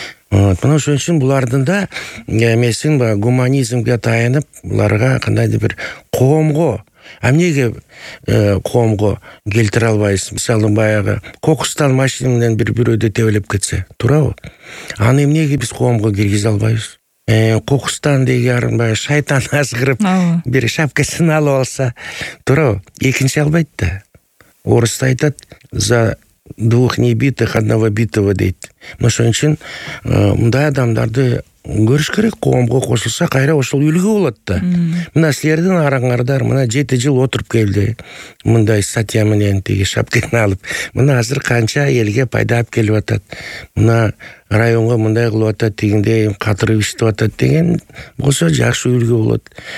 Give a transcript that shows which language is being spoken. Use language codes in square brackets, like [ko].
[ky] Мына ошон үчүн булардын да эмесин баягы гуманизмге таянып буларга кандайдыр бир коомго, эмнеге коомго келтире албайбыз? Мисалы баягы кокустан машина менен бир бирөөдө тебелеп кетсе туурабы? Аны эмнеге биз коомго киргизе албайбыз? Кокустан деген баягы шайтан азгырып бир шапкасын алып алса туурабы? Экинчи албайт да. Орусту айтат, [ru] за двух небитых одного битого [ky] дейт. Ошон үчүн мындай адамдарды көрүш керек, коомго кошулса кайра ошол үлгү болот да. Мына силердин араңардар мына 7 жыл отуруп келди мындай статья менен тиги шапкени алып, мына азыр канча элге пайда алып келип атат, мына районго мындай кылып атат, тигиндей катырып иштеп атат деген болсо жакшы үлгү болот.